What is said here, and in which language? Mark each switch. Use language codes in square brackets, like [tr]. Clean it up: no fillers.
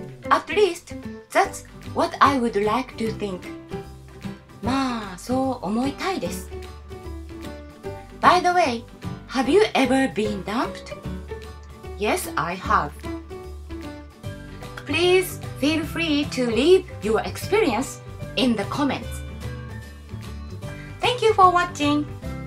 [en] At least, that'swhat I would like to think. [ja] まあ、そう思いたいです。 [en] By the way, have you ever been dumped? Yes, I have. Please feel free to leave your experience in the comments. Thank you for watching!